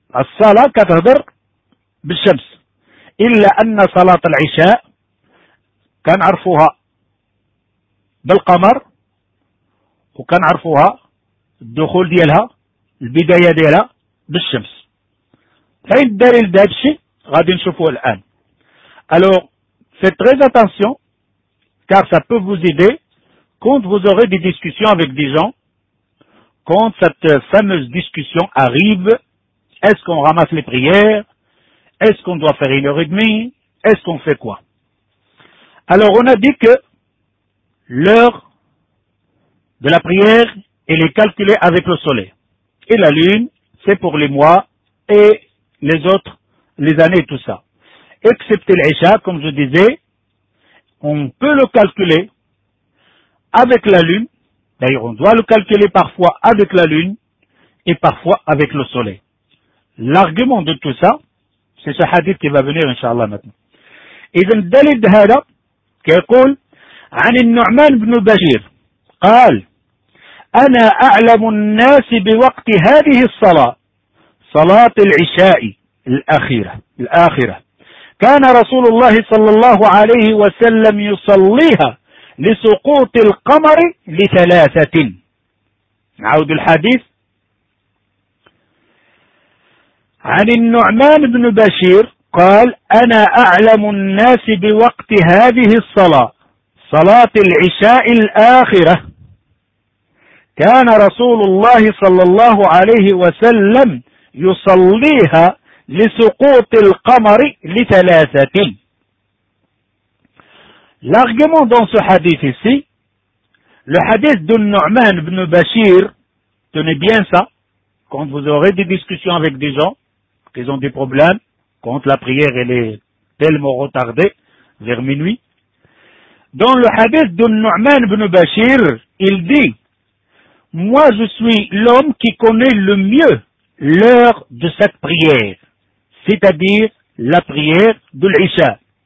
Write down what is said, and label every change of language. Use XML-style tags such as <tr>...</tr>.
<ar>الصلاة كتهضر بالشمس، إلا أن صلاة العشاء كنعرفوها بالقمر، وكنعرفوها الدخول ديالها البداية ديالها بالشمس. فين الدليل لهذا الشيء؟ غادي نشوفوه الآن.</ar> <fr>ألوغ في تريز أتانسيون، car ça peut vous aider quand vous aurez des discussions avec des gens, quand cette fameuse discussion arrive, est-ce qu'on ramasse les prières, est-ce qu'on doit faire une heure et demie, est-ce qu'on fait quoi? Alors on a dit que l'heure de la prière, elle est calculée avec le soleil, et la lune, c'est pour les mois et les autres, les années et tout ça. Excepté l'Isha, comme je disais, on peut le calculer avec la lune, d'ailleurs on doit le calculer parfois avec la lune et parfois avec le soleil. L'argument de tout ça, c'est ce hadith qui va venir inshallah maintenant.</fr> <ar>إذن دليل هذا كيقول عن النعمان بن بشير قال أنا أعلم الناس بوقت هذه الصلاة صلاة العشاء الأخيرة كان رسول الله صلى الله عليه وسلم يصليها لسقوط القمر لثلاثة. نعود الحديث عن النعمان بن بشير قال أنا أعلم الناس بوقت هذه الصلاة صلاة العشاء الآخرة كان رسول الله صلى الله عليه وسلم يصليها لسقوط القمر لثلاثة.</ar> <fr>L'argument dans ce hadith ici, le hadith de Nu'man ibn Bashir, tenez bien ça, quand vous aurez des discussions avec des gens qui ont des problèmes, quand la prière elle est tellement retardée, vers minuit, dans le hadith de Nu'man ibn Bashir, il dit, moi je suis l'homme qui connaît le mieux l'heure de cette prière, c'est-à-dire la prière de l'Isha.</fr>